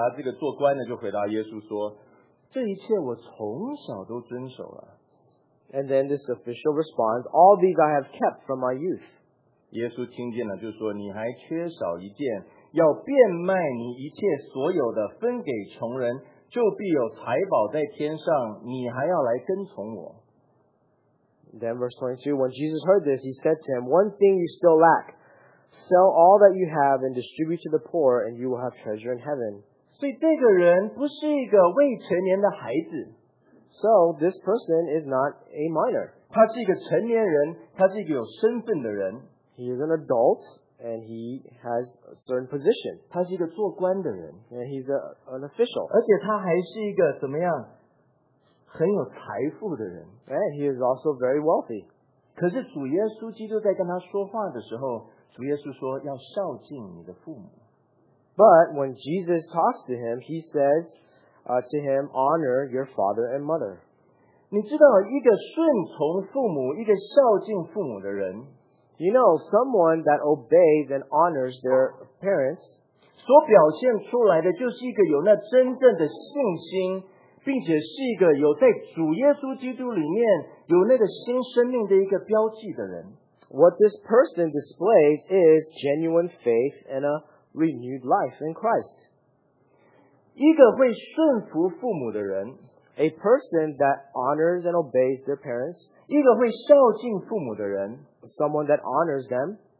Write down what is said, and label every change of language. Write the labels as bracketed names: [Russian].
[Chinese] 那主耶稣基督他就这个人他就回答这个做官的就回答耶稣说, 这一切我从小都遵守了。 [English] And then this official responds, All these I have kept from my youth. [Chinese] 耶稣听见了就说, 你还缺少一件, 要变卖你一切所有的分给穷人, 就必有财宝在天上, 你还要来跟从我。 [English] Then verse 22, When Jesus heard this, he said to him, One thing you still lack. Sell all that you have and distribute to the poor, and you will have treasure in heaven. [Chinese] 所以这个人不是一个未成年的孩子。 [English] So, this person is not a minor. [Chinese] 他是一个成年人, 他是一个有身份的人。 [English] He is an adult, and he has a certain position. [Chinese] 他是一个做官的人。 [English] And he's an official. [Chinese] 而且他还是一个怎么样? 很有财富的人。 [English] And he is also very wealthy. [Chinese] 可是主耶稣基督在跟他说话的时候, 主耶稣说要孝敬你的父母。 [English] But when Jesus talks to him, he says, to him, honor your father and mother. [Chinese] 你知道一个顺从父母, 一个孝敬父母的人, [English] you know, someone that obeys and honors their parents, [Chinese] 所表现出来的就是一个有那真正的信心, 并且是一个有在主耶稣基督里面有那个新生命的一个标记的人。 [English] What this person displays is genuine faith and a renewed life in Christ. [Chinese] 一个会顺服父母的人, [English] a person that honors and obeys their parents, [Chinese] 一个会孝敬父母的人, [English] someone that honors them,